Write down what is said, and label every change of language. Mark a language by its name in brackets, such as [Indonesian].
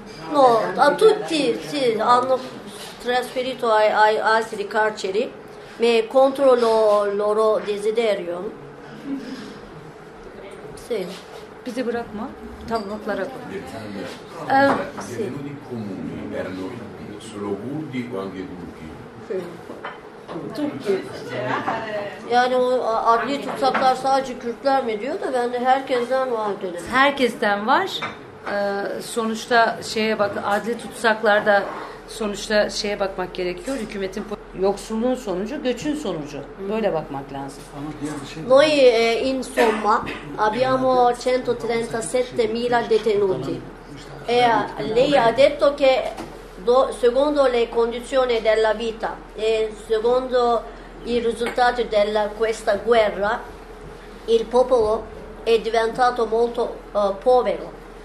[Italian] No, da tutti, sì, hanno trasferito ai altri carceri, ma contro il loro desiderio. [Turkish] Sì. Bizi bırakma. Tam notlara koy. [Italian] Sì. Gli comuni erano solo kurdi o anche turchi? Tutti. [Turkish] Yani o adli tutsaklar sadece Kürtler mi diyor da ben de herkesten var dedim. Herkesten var. Sonuçta şeye bak, adli tutsaklarda sonuçta şeye bakmak gerekiyor, hükümetin politikası. yoksulluğun sonucu, göçün sonucu. Böyle bakmak lazım. [Italian] Noi insomma abbiamo 137 mila detenuti. E lei ha detto che secondo le condizioni della vita e secondo i risultati della questa guerra il popolo è diventato molto povero.